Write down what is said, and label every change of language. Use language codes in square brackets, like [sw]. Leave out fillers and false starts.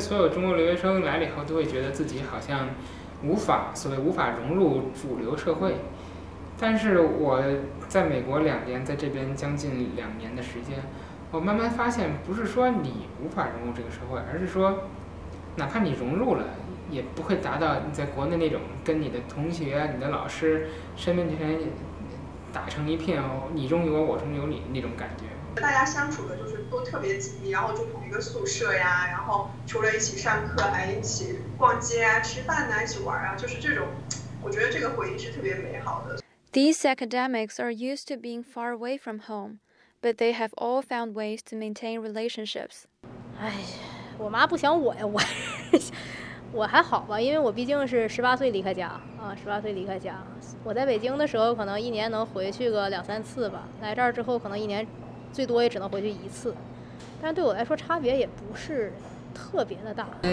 [zh] 所有中国留学生来了以后都会觉得自己好像无法融入主流社会，但是我在美国两年，在这边将近两年的时间，我慢慢发现不是说你无法融入这个社会，而是说哪怕你融入了也不会达到你在国内那种跟你的同学你的老师身边的人打成一片，你中有我，我中有你那种感觉。大家相处的就是都特别紧密，然后就同一个宿舍呀，然后除了一起上课还一起逛街啊，吃饭啊，一起玩啊，就是这种，我觉得这个回忆是特别美好的。 [en] These academics are used to being far away from home, but they have all found ways to maintain relationships. [zh] 哎，我妈不想我呀，我还好吧，因为我毕竟是18岁离开家啊，18岁离开家。我在北京的时候可能一年能回去个两三次吧，来这儿之后可能一年最多也只能回去一次，但对我来说差别也不是特别的大。